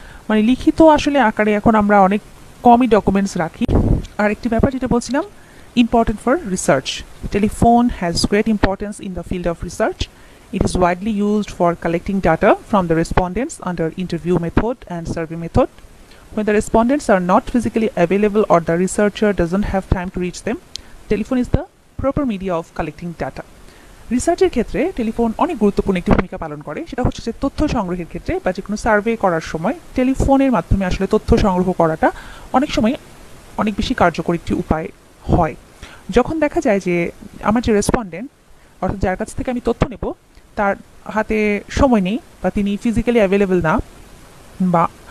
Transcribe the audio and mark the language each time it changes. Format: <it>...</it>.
<bn>মানে লিখিত আসলে আকারে এখন আমরা অনেক কমই ডকুমেন্টস রাখি। আর একটি ব্যাপার যেটা বলছিলাম,</bn> <en>Important for research, telephone has great importance in the field of research. It is widely used for collecting data from the respondents under interview method and survey method. When the respondents are not physically available or the researcher doesn't have time to reach them, telephone is the proper media of collecting data.</en> <bn>রিসার্চের ক্ষেত্রে telephone অনেক গুরুত্বপূর্ণ একটি ভূমিকা পালন করে। সেটা হচ্ছে যে তথ্য সংগ্রহের ক্ষেত্রে বা যে কোনো সার্ভে করার সময় টেলিফোনের মাধ্যমে আসলে তথ্য সংগ্রহ করাটা অনেক সময় অনেক বেশি কার্যকরী একটি উপায় হয়। যখন দেখা যায় যে আমার যে রেসপন্ডেন্ট, অর্থাৎ যার কাছ থেকে আমি তথ্য নেব, তার হাতে সময় নেই বা তিনি ফিজিক্যালি অ্যাভেলেবল না, বা</bn>